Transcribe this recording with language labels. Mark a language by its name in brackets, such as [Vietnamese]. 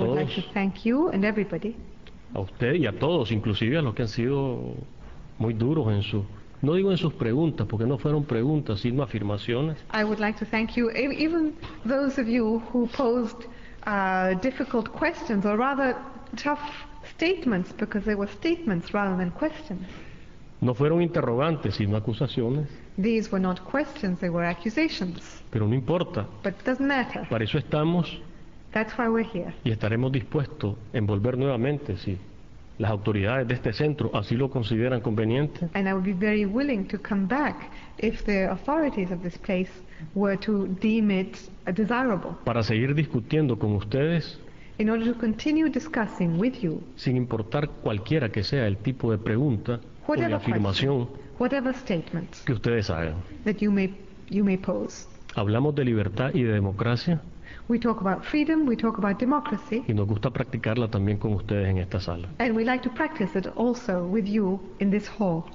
[Spanish] todos. [English] I would like to thank you and everybody. [Spanish] A usted y a todos, inclusive a los que han sido muy duros en su, no digo en sus preguntas, porque no fueron preguntas, sino afirmaciones. [English] I would like to thank you, even those of you who posed difficult questions, or rather tough statements, because they were statements rather than questions. [Spanish] No fueron interrogantes, sino acusaciones. [English] These were not questions, they were accusations. [Spanish] Pero no importa. [English] But it doesn't matter. [Spanish] Para eso estamos. [English] That's why we're here. [Spanish] Y estaremos dispuestos a envolver nuevamente si las autoridades de este centro así lo consideran conveniente. [English] And I would be very willing to come back if the authorities of this place were to deem it desirable. [Spanish] Para seguir discutiendo con ustedes. [English] In order to continue discussing with you. [Spanish] Sin importar cualquiera que sea el tipo de pregunta o de afirmación. [English] Whatever statements [Spanish] que ustedes hagan. [English] That you may pose. [Spanish] Hablamos de libertad y de democracia. [English] We talk about freedom, we talk about democracy. [Spanish] Y nos gusta practicarla también con ustedes en esta sala. [English] And we like to practice it also with you in this hall.